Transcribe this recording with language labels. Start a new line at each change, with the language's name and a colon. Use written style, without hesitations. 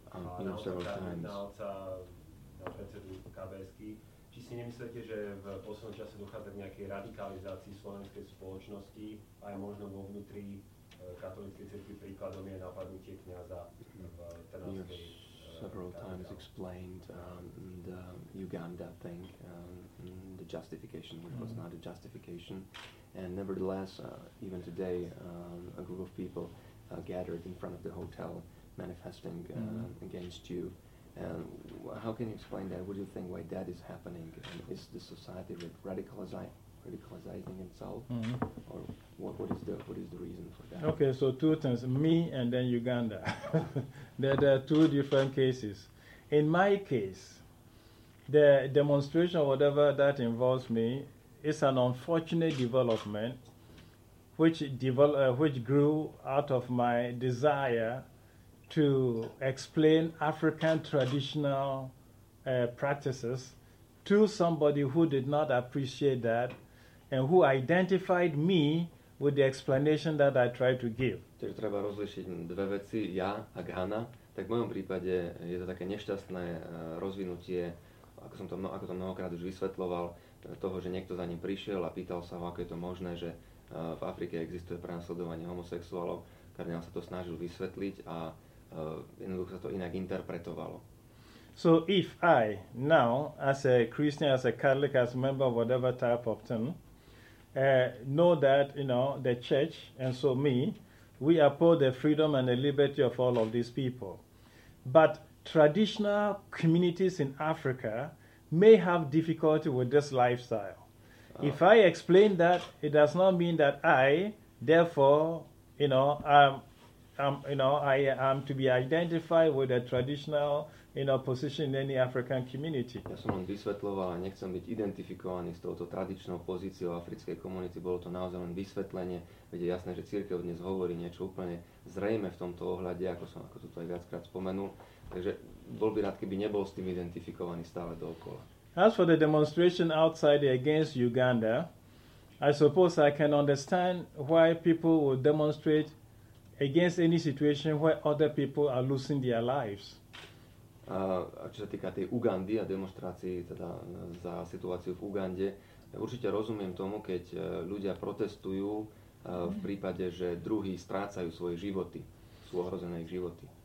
Slovak: Na predsedu KBS-ky. Či si nemyslíte, že v poslednom čase dochádza k nejakej radikalizácii slovenskej spoločnosti, aj možno vo vnútri katolíckej cirkvi, príkladom je napadnutie kňaza v Trnavskej.
English: Several times explained the Uganda thing, the justification, which was not a justification. And nevertheless, even today, a group of people gathered in front of the hotel manifesting against you. And how can you explain that? What do you think why that is happening? And is the society radicalizing itself? Mm-hmm. Or what is the reason for that? Okay, so two things, me and then Uganda. There are two different cases. In my case, the demonstration, whatever that involves me, is an unfortunate development which grew out of my desire to explain African traditional practices to somebody who did not appreciate that and who identified me with the explanation that I tried to give.
Slovak: Čiže treba rozlišiť dve veci, ja a Ghana. Tak v mojom prípade je to také nešťastné rozvinutie, ako to mnohokrát už vysvetloval, toho, že niekto za ním prišiel a pýtal sa ho, ako je to možné, že v Afrike existuje prenasledovanie homosexuálov. Kardinál sa to snažil vysvetliť a jednoducho sa to inak interpretovalo.
English: So if I now, as a Christian, as a Catholic, as a member of whatever type of thing, know that, you know, the church, and so me, we uphold the freedom and the liberty of all of these people. But traditional communities in Africa may have difficulty with this lifestyle. If I explain that, it does not mean that I, therefore, you know, I am to be identified with a traditional, you know, position in any African community.
Slovak: Ja som len vysvetľoval, nechcem byť identifikovaný s touto tradičnou pozíciou africkej komunity. Bolo to naozaj len vysvetlenie, veď je jasné, že cirkev dnes hovorí niečo úplne zrejme v tomto ohľade, ako to aj viackrát spomenul. Takže bol by rád, keby nebol s tým identifikovaný stále dookola.
English: As for the demonstration outside against Uganda, I suppose I can understand why people would demonstrate against any situation where other people are losing their lives.
Slovak: A čo sa týka tej Ugandy a demonstrácií teda za situáciu v Ugande, určite rozumiem tomu, keď ľudia protestujú v prípade, že druhí strácajú svoje životy, sú ohrozené ich životy.